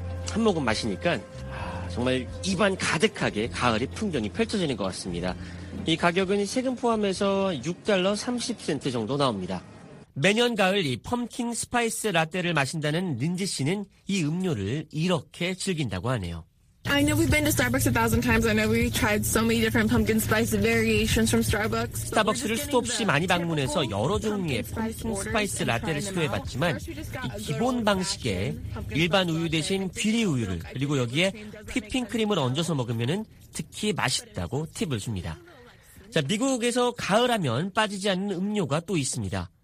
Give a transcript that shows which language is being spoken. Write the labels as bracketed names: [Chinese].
[Korean] 한 모금 마시니까 정말 입안 가득하게 가을의 풍경이 펼쳐지는 것 같습니다. 이 가격은 세금 포함해서 6달러 30센트 정도 나옵니다. 매년 가을 이 펌킨 스파이스 라떼를 마신다는 린지 씨는 이 음료를 이렇게 즐긴다고 하네요. [English] I know we've been to Starbucks a thousand times. I know we tried so many different pumpkin spice variations from Starbucks. [Korean] 스타벅스를 수도 없이 많이 방문해서 여러 종류의 펌킨 스파이스 라떼를 시도해봤지만 이 기본 방식에 일반 우유 대신 귀리 우유를 그리고 여기에 휘핑크림을 얹어서 먹으면 특히 맛있다고 팁을 줍니다. 자, 미국에서 가을하면 빠지지 않는 음료가 또 있습니다.